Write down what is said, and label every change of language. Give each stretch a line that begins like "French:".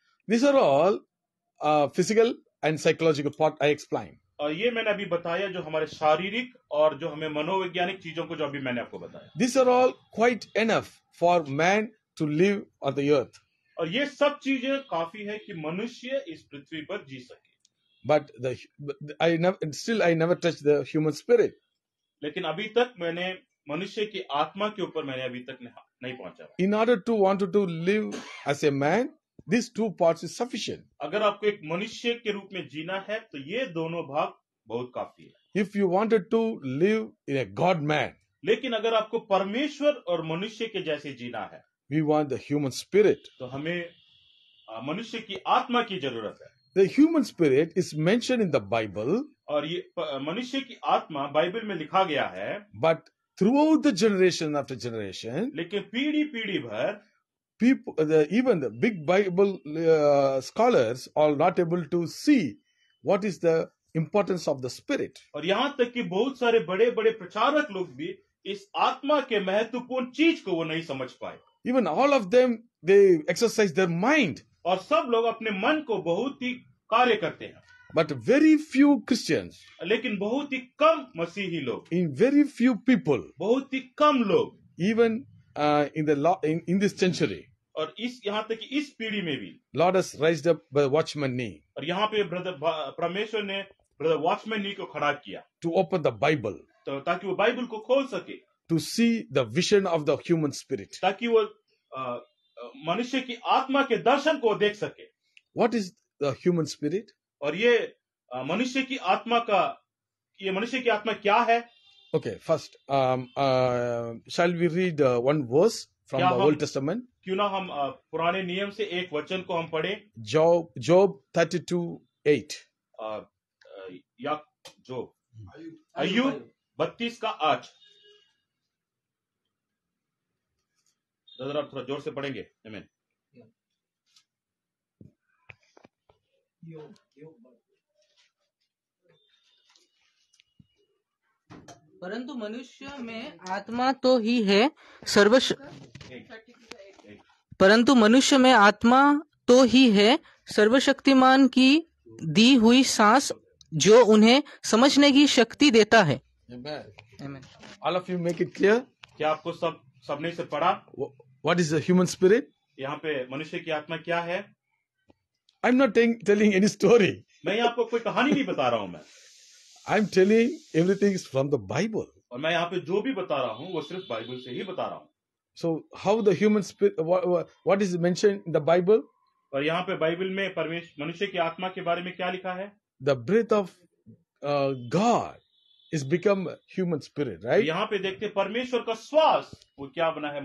English: This are all physical and psychological part I explain.
Hindi: और ये मैंने अभी बताया जो हमारे शारीरिक और जो हमें मनोवैज्ञानिक चीजों को जो अभी मैंने आपको बताया.
English: This are all quite enough for man to live on the earth.
Hindi: और ये सब चीजें काफी है कि मनुष्य इस पृथ्वी पर जी सके.
English: but the I never touched the human spirit.
Hindi: लेकिन अभी तक मैंने मनुष्य की आत्मा के ऊपर मैंने अभी तक नहीं पहुंचा.
English: In order to want to live as a man, these two parts is sufficient.
Hindi: अगर आपको एक मनुष्य के रूप में जीना है तो ये दोनों भाग बहुत काफी है.
English: If you wanted to live in a God man,
Hindi: लेकिन अगर आपको परमेश्वर और मनुष्य के जैसे जीना है,
English: we want the human spirit,
Hindi: तो हमें मनुष्य की आत्मा की जरूरत है.
English: The human spirit is mentioned in the Bible,
Hindi: और ये मनुष्य की आत्मा बाइबल में लिखा गया है.
English: But throughout the generation after generation,
Hindi: लेकिन पीढ़ी पीढ़ी भर
English: people, even the big Bible scholars are not able to see what is the importance of the spirit.
Hindi: और यहाँ तक कि बहुत सारे बड़े बड़े प्रचारक लोग भी इस आत्मा के महत्वपूर्ण चीज को वो नहीं समझ पाए.
English: Even all of them, they exercise their mind.
Hindi: और सब लोग अपने मन को बहुत ही कार्य करते हैं.
English: But very few Christians,
Hindi: लेकिन बहुत ही कम मसीही लोग,
English: in very few people,
Hindi: बहुत ही कम लोग,
English: even in this century,
Hindi: और इस यहाँ तक कि इस पीढ़ी में भी,
English: Lord has raised up by watchman Nee,
Hindi: और यहाँ पे ब्रदर परमेश्वर ने ब्रदर वॉचमैन नी को खड़ा किया,
English: to open the Bible,
Hindi: तो ताकि वो बाइबल को खोल सके,
English: to see the vision of the human spirit,
Hindi: ताकि वो मनुष्य की आत्मा के दर्शन को देख सके.
English: What is the human spirit?
Hindi: और ये मनुष्य की आत्मा का, ये मनुष्य की आत्मा क्या है?
English: Okay, first, shall we read one verse from the Old Testament?
Hindi: क्यों ना हम पुराने नियम से एक वचन को हम पढ़े.
English: Job 32:8.
Hindi: या Job. Ayub 32 का 8. थोड़ा जोर से पढ़ेंगे. आमीन. परंतु मनुष्य में आत्मा तो ही है सर्वश परंतु मनुष्य में आत्मा तो ही है सर्वशक्तिमान की दी हुई सांस जो उन्हें समझने की शक्ति देता है.
English: All of you make it clear.
Hindi: क्या आपको सब सबने से पढ़ा?
English: What is the human spirit?
Hindi: यहाँ पे मनुष्य की आत्मा क्या है?
English: I'm not telling any story.
Hindi: मैं आपको कोई कहानी नहीं बता रहा हूँ. मैं
English: I'm telling everything is from the Bible.
Hindi: और मैं यहाँ पे जो भी बता रहा हूँ वो सिर्फ बाइबल से ही बता रहा हूँ.
English: So how the human spirit, what is mentioned in the Bible?
Hindi: और यहाँ पे बाइबल में परमेश्वर मनुष्य की आत्मा के बारे में क्या लिखा है?
English: The breath of God is become human spirit, right?
Hindi: यहाँ पे देखते हैं परमेश्वर का श्वास वो क्या बना है?